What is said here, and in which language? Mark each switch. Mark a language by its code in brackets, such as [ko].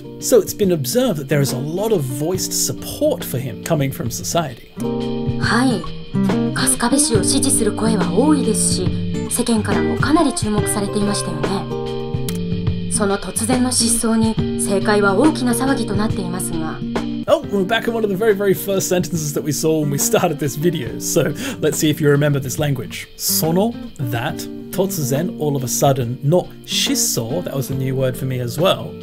[en] So it's been observed that there is a lot of voiced support for him coming from society. [ja] はい。春日部氏を支持する声は多いですし、世間からもかなり注目されていましたよね。その突然の失踪に政界は大きな騒ぎとなっていますが。 [en] Oh, we're back in one of the very, very first sentences that we saw when we started this video. So let's see if you remember this language. その、that, 突然, all of a sudden, の、失踪, that was a new word for me as well.